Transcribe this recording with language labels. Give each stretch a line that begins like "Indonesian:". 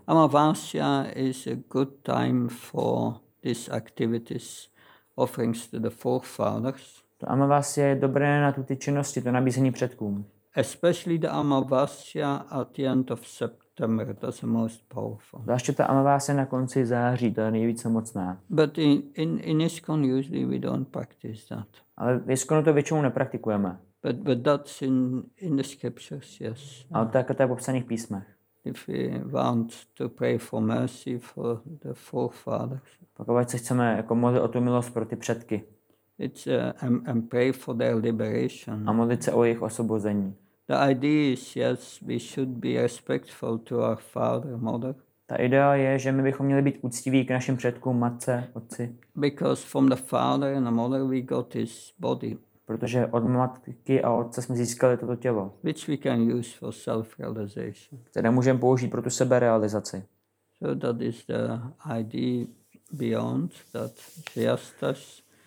English: Amavasya is a good time for these activities, offerings to the forefathers.
Czech: To amavasya je dobré na ty činnosti, to nabízení předkům.
English: Especially the Amavasya at the end of September, that's the most powerful.
Czech: Zvláště ta Amavasya na konci září, to je nejvíce mocná.
English: But in ISKCON usually we don't practice that.
Czech: Ale v ISKCONu to většinou nepraktikujeme.
English: But that's in the scriptures, yes.
Czech: Ale tak to je v popsaných písmech.
English: If we want to pray for mercy for the forefathers.
Czech: Pokud se chceme jako modlit o tu milost pro ty předky.
English: It's and pray for their liberation.
Czech: A modlit se o jejich osvobození.
English: The idea is yes, we should be respectful to our father, mother.
Czech: Ta idea je, že my bychom měli být úctiví k našim předkům, matce, otci.
English: Because from the father and the mother we got his body.
Czech: Protože od matky a otce jsme získali toto tělo.
English: Which we can use for self-realization.
Czech: Které můžeme použít pro tu seberealizaci.
English: So that is the idea beyond that Vyastas.